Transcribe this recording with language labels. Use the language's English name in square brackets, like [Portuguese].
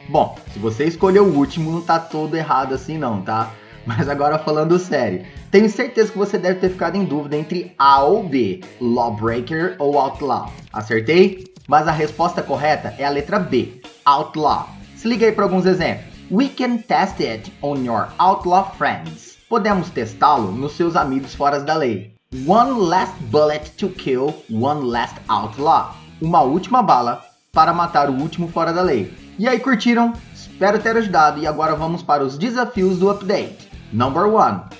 [Portuguese] Bom, se você escolheu o último, não tá todo errado assim não, tá? Mas agora falando sério, tenho certeza que você deve ter ficado em dúvida entre A ou B. Lawbreaker ou Outlaw. Acertei? Mas a resposta correta é a letra B. Outlaw. Se liga aí pra alguns exemplos. [English] We can test it on your outlaw friends. [Portuguese] Podemos testá-lo nos seus amigos fora da lei. [English] One last bullet to kill one last outlaw. [Portuguese] Uma última bala para matar o último fora da lei. E aí, curtiram? Espero ter ajudado e agora vamos para os desafios do update. [English] Number 1.